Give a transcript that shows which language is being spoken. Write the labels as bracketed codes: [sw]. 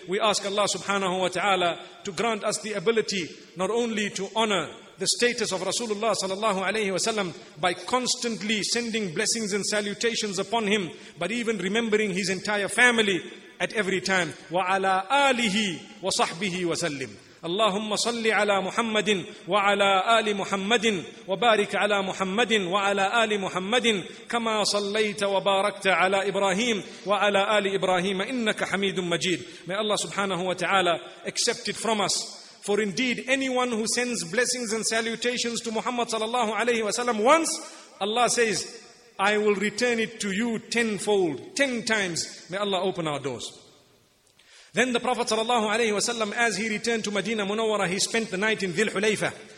[en] We ask Allah subhanahu wa ta'ala to grant us the ability not only to honor the status of Rasulullah sallallahu alayhi wa sallam by constantly sending blessings and salutations upon him, but even remembering his entire family at every time. [ar] وَعَلَىٰ آلِهِ وَصَحْبِهِ وَسَلِّمْ. اللهم صل على محمد وعلى آل محمد وبارك على محمد وعلى آل محمد كما صليت وباركت على إبراهيم وعلى آل إبراهيم إنك حميد مجيد. [en] May Allah subhanahu wa ta'ala accept it from us. For indeed, anyone who sends blessings and salutations to Muhammad sallallahu alayhi wa sallam once, Allah says, I will return it to you tenfold, 10 times. May Allah open our doors. Then the Prophet sallallahu alayhi wa sallam, as he returned to Medina Munawwara, he spent the night in Dhil Hulayfa.